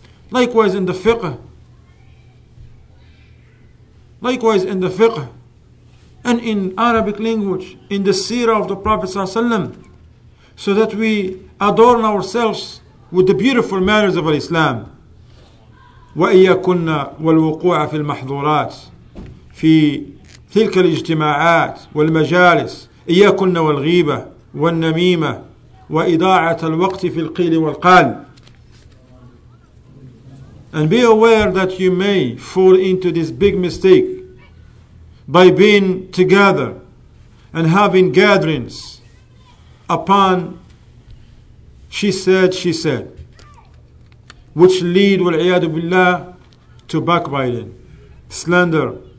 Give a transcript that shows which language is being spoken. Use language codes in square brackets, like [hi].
[en] Likewise in the fiqh. Likewise in the fiqh. And in Arabic language, in the seerah of the Prophet ﷺ, so that we adorn ourselves with the beautiful manners of Islam. [ar] وَإِيَّكُنَّ وَالْوُقُوعَ فِي الْمَحْظُورَاتِ فِي تلك الاجتماعات والمجالس، إياكن والغيبة والنميمة وإضاعة الوقت في القيل والقال. [en] And be aware that you may fall into this big mistake by being together and having gatherings upon she said, which lead [ar] والعياذ بالله [en] to backbiting, slander.